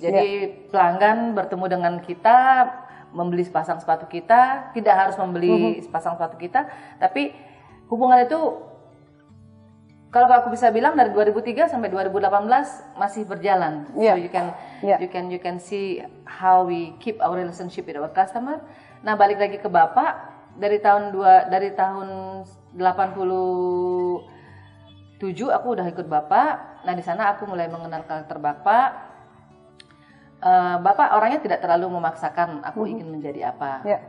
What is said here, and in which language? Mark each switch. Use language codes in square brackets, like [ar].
[id] Jadi pelanggan bertemu dengan kita, membeli sepasang sepatu kita, tidak harus membeli sepasang sepatu kita, tapi hubungan itu kalau aku bisa bilang dari 2003 sampai 2018 masih berjalan. [en] So you can see how we keep our relationship with our customer. [id] Nah, balik lagi ke Bapak, dari tahun 87 aku udah ikut Bapak. Nah, di sana aku mulai mengenal karakter Bapak. Bapak orangnya tidak terlalu memaksakan aku ingin menjadi apa.